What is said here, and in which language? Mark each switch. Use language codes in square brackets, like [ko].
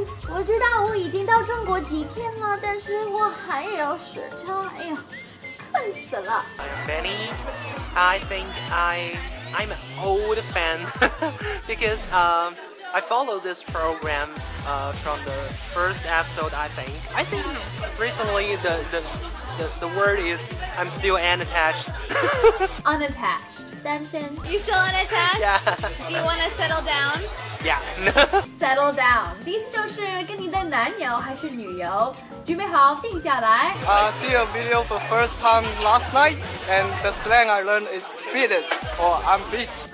[zh] 我知道我已经到中国几天了，但是我还有时差，哎呀，困死了。 [en] Benny, I think I'm an old fan because I followed this program from the first episode, I think. I think recently the word is I'm still unattached. Unattached. 单身. You still unattached? Yeah. Do you want to settle down? Yeah. Settle down. [zh] 第一次就是跟你的男友还是女友准备好定下来. [en] See a video for first time last night and the slang I learned is beat it or I'm beat.